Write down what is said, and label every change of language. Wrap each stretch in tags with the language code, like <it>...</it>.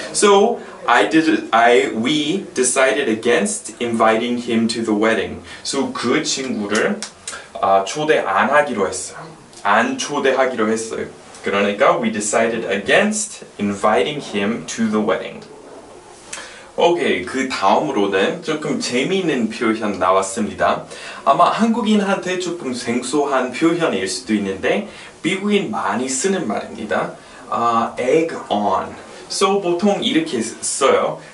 <en>So we decided against inviting him to the wedding.</en> <ko>So 그 친구를 초대 안 하기로 했어요. 안 초대하기로 했어요. 그러니까</ko> <en>we decided against inviting him to the wedding.</en> <ko>오케이, 그 다음으로는 조금 재미있는 표현 나왔습니다. 아마 한국인한테 조금 생소한 표현일 수도 있는데 미국인 많이 쓰는 말입니다. Egg on. So 보통 이렇게 써요.</ko>